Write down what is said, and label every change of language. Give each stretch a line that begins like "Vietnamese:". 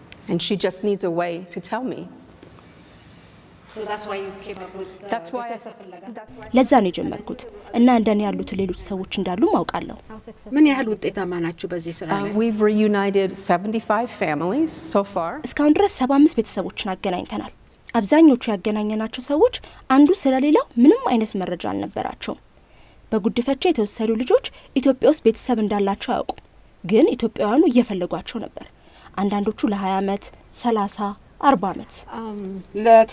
English: And she just needs a way to tell me. So that's why you came up with That's why I
Amharic: ለዛ ነው የጀመርኩት። እና እንደኔ ያሉት ሌሎች ሰዎች እንዳሉ ማውቃለሁ። ምን ያህል ውጤታማ ናችሁ በዚህ ስራ ላይ?
English: We've reunited 75 families so far.
Amharic: እስካሁን ድረስ 75 ቤተሰቦችን አገናኝተናል። አብዛኞቹ ያገናኘናቸው ሰዎች አንዱ ስለሌላው ምንም አይነት መረጃ አልነበራቸው። በጉድፈቻ የተወሰዱ ልጆች ኢትዮጵያ ውስጥ ቤተሰብ እንዳላቸው አውቁ። ግን ኢትዮጵያውያኑ እየፈለጓቸው ነበር። አንዳንዶቹ ለ20 አመት፣ 30፣ 40 አመት።